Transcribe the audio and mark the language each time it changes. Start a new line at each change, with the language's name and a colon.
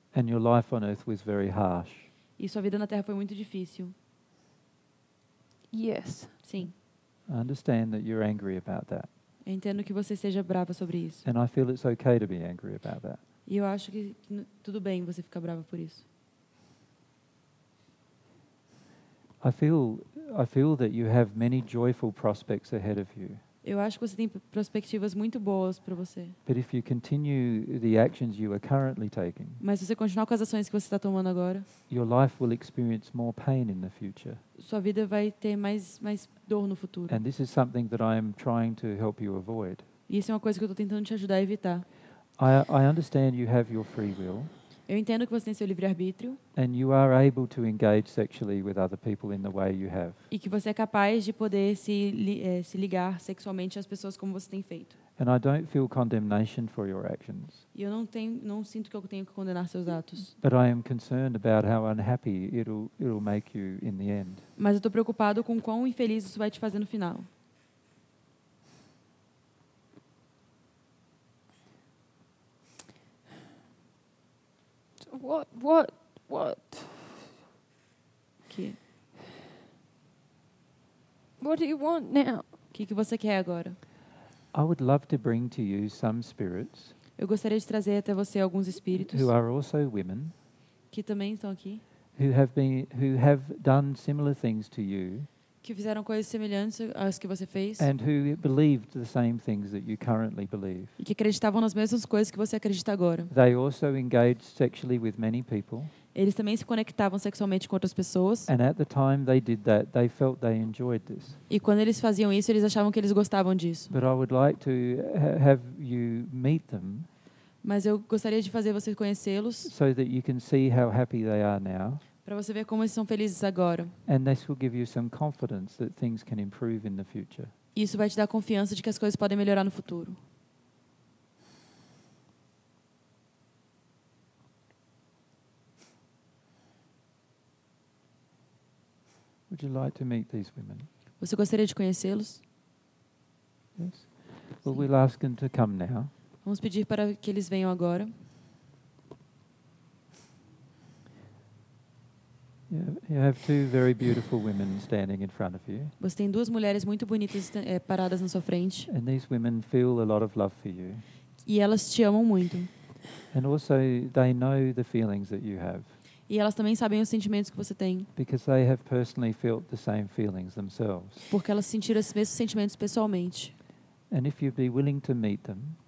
English: And your life on earth was very harsh.
Portuguese: E sua vida na Terra foi muito difícil.
English: Yes.
Portuguese: Sim.
English: I understand that you're angry about that.
Portuguese: Eu entendo que você seja brava sobre isso.
English: And I feel it's okay to be angry about that.
Portuguese: E eu acho que tudo bem você ficar brava por isso.
English: I feel that you have many joyful prospects ahead of you.
Portuguese: Eu acho que você tem perspectivas muito boas para você.
English: But if you continue the actions you are currently taking,
Portuguese: mas se você continuar com as ações que você está tomando agora,
English: your life will experience more pain in the future.
Portuguese: Sua vida vai ter mais dor no futuro.
English: And this is something that I am trying to help you avoid.
Portuguese: Isso é uma coisa que eu estou tentando te ajudar a evitar.
English: I understand you have your free will.
Portuguese: Eu entendo que você tem seu livre-arbítrio.
English: And you are able to engage sexually with other people in the way you have.
Portuguese: E que você é capaz de poder se ligar sexualmente às pessoas como você tem feito.
English: And I don't feel condemnation for your actions.
Portuguese: E eu não sinto que eu tenho que condenar seus atos.
English: But I am concerned about how unhappy it'll make you in the end.
Portuguese: Mas eu estou preocupado com quão infeliz isso vai te fazer no final.
English: What? What do you want now?
Portuguese: Que você quer agora?
English: I would love to bring to you some spirits.
Portuguese: Eu gostaria de trazer até você alguns espíritos.
English: Who are also women.
Portuguese: Que também estão aqui.
English: Who have done similar things to you.
Portuguese: Que fizeram coisas semelhantes às que você fez.
English: And who believed the same things that you currently believe.
Portuguese: E que acreditavam nas mesmas coisas que você acredita agora.
English: They also engaged sexually with many people.
Portuguese: Eles também se conectavam sexualmente com outras pessoas.
English: And at the time they did that, they felt they enjoyed this.
Portuguese: E quando eles faziam isso, eles achavam que eles gostavam disso.
English: But I would like to have you meet them.
Portuguese: Mas eu gostaria de fazer vocês conhecê-los.
English: So that you can see how happy they are now.
Portuguese: Para você ver como eles são felizes agora.
English: And this will give you some confidence that things can improve in the future.
Portuguese: Isso vai te dar confiança de que as coisas podem melhorar no futuro.
English: Would you like to meet these women?
Portuguese: Você gostaria de conhecê-los?
English: Yes. Well, we'll ask them to come now.
Portuguese: Vamos pedir para que eles venham agora.
English: You have two very beautiful women standing in front of you.
Portuguese: Você tem duas mulheres muito bonitas paradas na sua frente.
English: And these women feel a lot of love for you.
Portuguese: E elas te amam muito.
English: And also they know the feelings that you have.
Portuguese: E elas também sabem os sentimentos que você tem.
English: Because they have personally felt the same feelings themselves.
Portuguese: Porque elas sentiram os mesmos sentimentos pessoalmente.
English: And if you'd be willing to meet them,